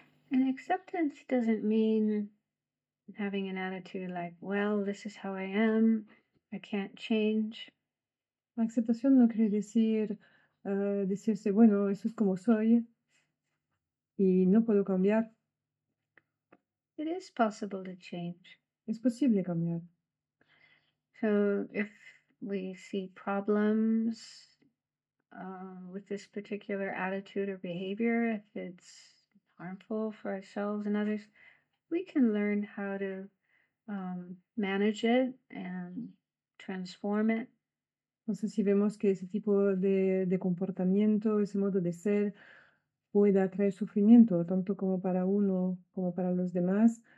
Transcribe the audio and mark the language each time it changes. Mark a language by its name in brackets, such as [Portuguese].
[English] And acceptance doesn't mean having an attitude like, well, this is how I am, I can't change. [Spanish] La aceptación no quiere decir decirse, bueno, eso es como soy y no puedo cambiar. [English] It is possible to change. [Spanish] Es posible cambiar. [English] So if we see problems with this particular attitude or behavior, if it's harmful for ourselves and others, we can learn how to manage it and transform it. [Spanish] No sé si vemos que ese tipo de comportamiento, ese modo de ser, puede atraer sufrimiento, tanto como para uno como para los demás.